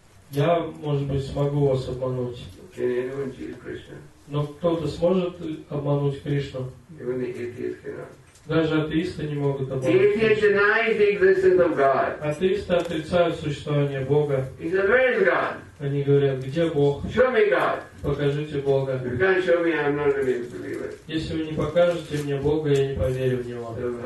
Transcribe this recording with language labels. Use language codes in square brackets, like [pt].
[ru] Я, может быть, смогу вас обмануть. [en] Can anyone cheat Krishna? [ru] Но кто-то сможет обмануть Кришну? [en] Even the atheists cannot. [ru] Даже атеисты не могут обмануть. [en] The atheists deny the existence of God. [ru] Атеисты отрицают существование Бога. [en] He said, "Where is God?" [ru] Они говорят, где Бог? [en] Show me God. [ru] Покажите Бога. [en] If you can't show me, I'm not going to believe it. [ru] Если вы не покажете мне Бога, я не поверю в Него.